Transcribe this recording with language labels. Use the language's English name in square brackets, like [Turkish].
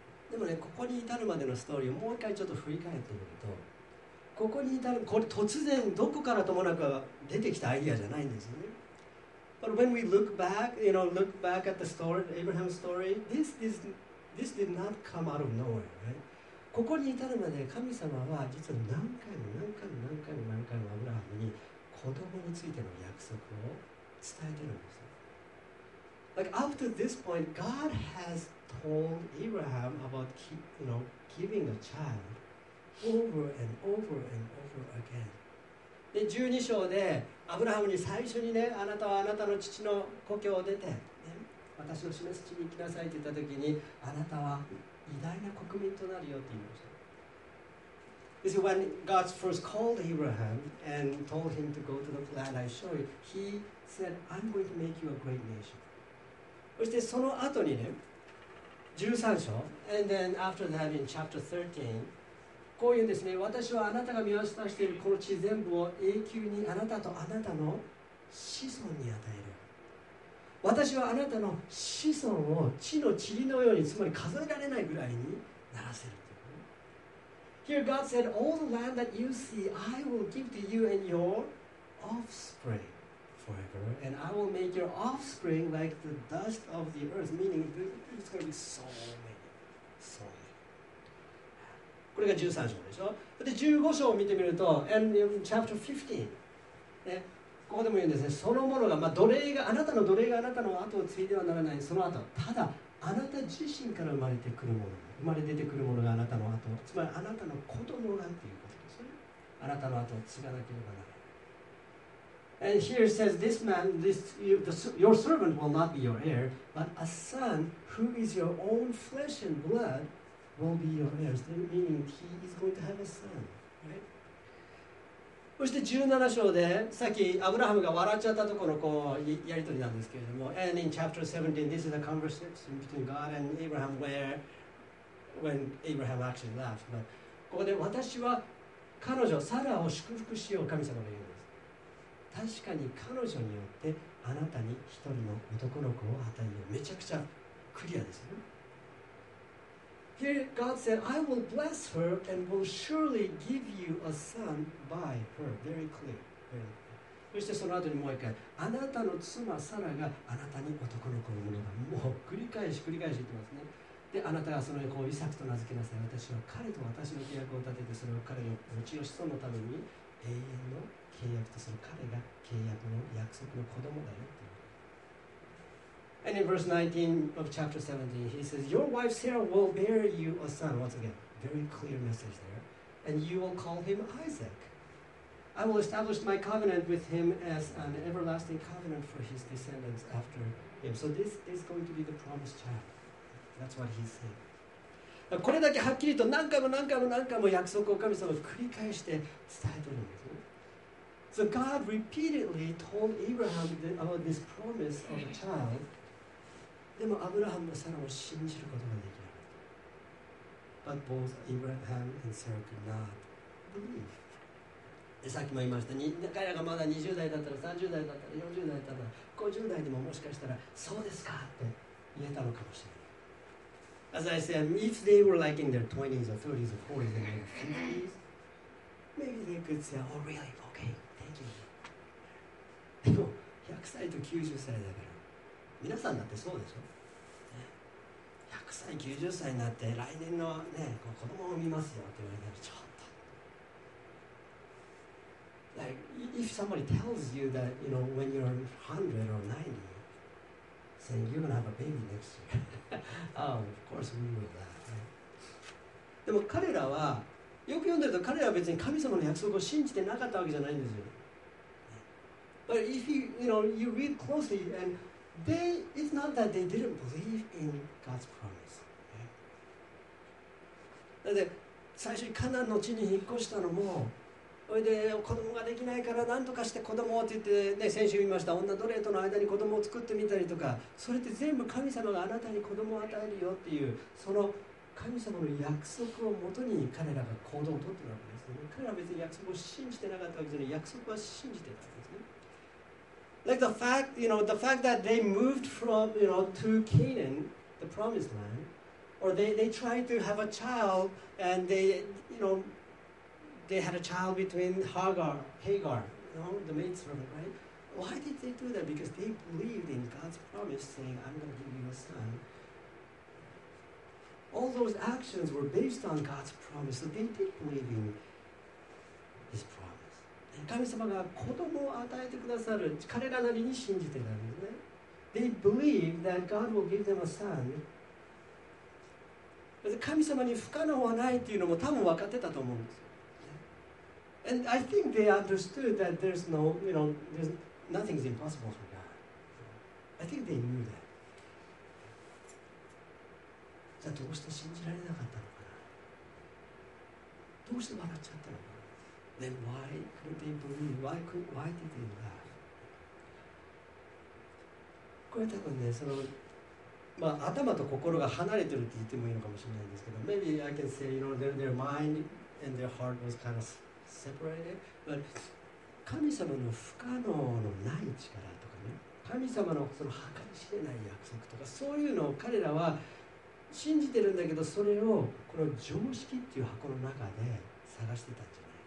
[Japanese] でもね、ここに至るまでのストーリーをもう一回ちょっと振り返ってみると、ここに至る、これ突然どこからともなく出てきたアイデアじゃないんですよね。 [English] But when we look back, you know, look back at the story, Abraham's story, this did not come out of nowhere, right? [Japanese] ここに至るまで神様は実は何回もアブラハムに子供についての約束を伝えてるんですよ。 [English] Like after this point, God has told Abraham about giving a child over and over and over again. [Japanese] で、12章でアブラハムに最初にね、あなたはあなたの父の故郷を出て、ね、私の示す地に行きなさいって言った時に、あなたは偉大な国民となるよって言いました。 [English] This is when God first called Abraham and told him to go to the land I show you. He said, I'm going to make you a great nation. [Japanese] そしてその後にね、13章、 [English] and then after that in chapter 13, [Japanese] こういうですね、私はあなたが見渡しているこの地全部を永久にあなたとあなたの子孫に与える。私はあなたの子孫を地の塵のように、つまり数えられないぐらいにならせる。 [English] Here God said, all the land that you see, I will give to you and your offspring. Forever, and I will make your offspring like the dust of the earth, meaning it's going to be so many, so many. [Japanese] これが13章でしょ。で、15章を見てみると、 [English] and in chapter 15, [Japanese] ね、ここでも言うんですね、そのものが、まあ、奴隷が、あなたの奴隷があなたの後を継いではならない、その後、ただ、あなた自身から生まれてくるもの、生まれ出てくるものがあなたの後、つまりあなたの子供がということですね。あなたの後を継がなければならない。 [English] And here says, this man, your servant will not be your heir, but a son who is your own flesh and blood will be your heir. Meaning, he is going to have a son, right? [Japanese] そして17章で、さっきアブラハムが笑っちゃったところのこうやり取りなんですけれども、 [English] And in chapter 17, this is a conversation between God and Abraham when Abraham actually laughed. [Japanese] But ここで私は彼女、サラを祝福しよう、神様が言う。確かに彼女によってあなたに一人の男の子を与えよう。めちゃくちゃクリアですよね。 [English] Here God said, I will bless her and will surely give you a son by her. Very clear. [Japanese] そしてその後にもう一回、あなたの妻サラがあなたに男の子を産むのだ。もう繰り返し言ってますね。で、あなたがその子をイサクと名付けなさい。私は彼と私の契約を立てて、それを彼の後の子孫のために永遠の契約とする。彼が契約の約束の子供だよっていう。 [English] And in verse 19 of chapter 17, he says, Your wife Sarah will bear you a son. Once again, very clear message there. And you will call him Isaac. I will establish my covenant with him as an everlasting covenant for his descendants after him. So this is going to be the promised child. That's what he's saying. [Japanese] これだけはっきりと何回も何回も何回も約束を神様に繰り返して伝えてるんですね。 [English] So God repeatedly told Abraham about this promise of a child. [Japanese] でもアブラハムもサラも信じることができなかった。 [English] But both Abraham and Sarah could not believe. [Japanese] さっきも言いました。彼らがまだ20代だったら、30代だったら、40代だったら、50代でももしかしたらそうですかって言えたのかもしれない。 [English] As I said, if they were like in their 20s or 30s or 40s or 50s, maybe they could say, oh really, okay, thank you. [Japanese] でも、100歳と90歳だから、皆さんだってそうでしょ、ね、?100 歳、90歳になって、来年の、ね、子供を産みますよって言われたら、ちょっと。 [English] like if somebody tells you that you know when you're 100 or 90, saying you're gonna have a baby next year, oh, of course we know that. [Japanese] でも彼らはよく読んでると彼らは別に神様の約束を信じてなかったわけじゃないんですよ。 [English] But if you you know you read closely and they it's not that they didn't believe in God's promise. [Japanese] なので最初にカナンの地に引っ越したのも、それで子供ができないから何とかして子供をって言ってね、先週見ました女奴隷との間に子供を作ってみたりとか、それって全部神様があなたに子供を与えるよっていうその神様の約束をもとに彼らが行動をとっているわけですね。彼らは別に約束を信じてなかったわけですね。約束は信じてたんですね。 [English] Like the fact, you know, the fact that they moved from, you know, to Canaan, the promised land, or they tried to have a child and they, you know, they had a child between Hagar, you know, the maidservant, right? Why did they do that? Because they believed in God's promise saying, I'm going to give you a son. All those actions were based on God's promise, so they did believe in His promise. [Japanese] 神様が子供を与えてくださる彼らなりに信じてたんですね。 [English] They believe that God will give them a son. [Japanese] 神様に不可能はないっていうのも多分分かってたと思うんですよ。 [English] And I think they understood that there's no, you know, there's nothing's impossible for God. I think they knew that. [Japanese] じゃあどうして信じられなかったのかな。どうして笑っちゃったのか。 [English] Then why couldn't they believe? Why did they laugh? [Japanese] これ多分ね、その、まあ、頭と心が離れてるって言ってもいいのかもしれないんですけど、 [English] Maybe I can say, you know, their mind and their heart was kind of separated. But [Japanese] 神様の不可能のない力とかね、神様のその計り知れない約束とか、そういうのを彼らは信じてるんだけど、それをこの常識っていう箱の中で探してたんじゃない。